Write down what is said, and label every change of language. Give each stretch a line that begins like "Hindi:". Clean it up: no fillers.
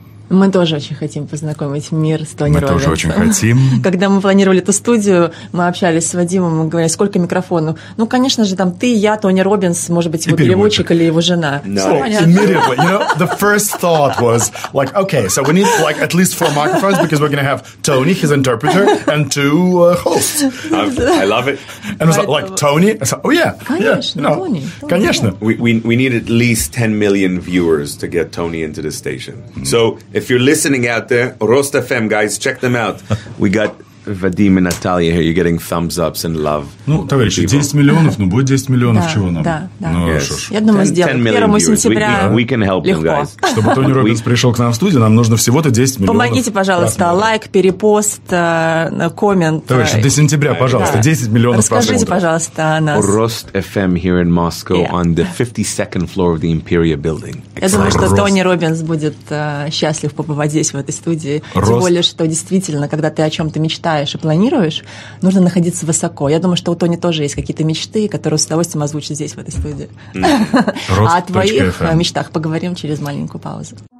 Russian: Мы тоже очень хотим познакомить мир с Тони Робинсом. Мы тоже очень хотим. Когда мы планировали эту студию, мы общались с Вадимом, мы говорили, сколько микрофонов. Ну, конечно же, там ты, я, Тони Робинс, может быть, его переводчик или его жена.
English: No. Immediately, you know, the first thought was like, okay, so we need like at least four microphones because we're going to have Tony, his interpreter, and two hosts. I love it. And it was like, Tony? Like, oh, yeah.
Russian: Конечно, Тони.
English: Yeah, no.
Russian: Конечно.
English: We need at least 10 million viewers to get Tony into the station. Mm-hmm. So, if you're listening out there, Rost FM, guys, check them out. We got Vadim and Natalia here. You're getting thumbs ups and love.
Russian: Ну, товарищи, 10 миллионов, ну будет 10 миллионов, чего нам? Да, да. Ну, я думаю, сделаем. 1 сентября.
English: We can help them, guys.
Russian: Чтобы Тони Робинс пришел к нам в студию, нам нужно всего-то 10 миллионов. Помогите, пожалуйста, лайк, перепост, коммент. Товарищи, до сентября, пожалуйста, 10 миллионов просмотров. Расскажите, пожалуйста, о нас.
English: Rost FM here in Moscow on the 52nd floor of the Imperia building.
Russian: Я думаю, что Тони Робинс будет счастлив побывать здесь, в этой студии. Тем более, что действительно, когда ты о чем-то мечтаешь, и планируешь, нужно находиться высоко. Я думаю, что у Тони тоже есть какие-то мечты, которые с удовольствием озвучит здесь, в этой студии. Mm-hmm. А о твоих мечтах поговорим через маленькую паузу.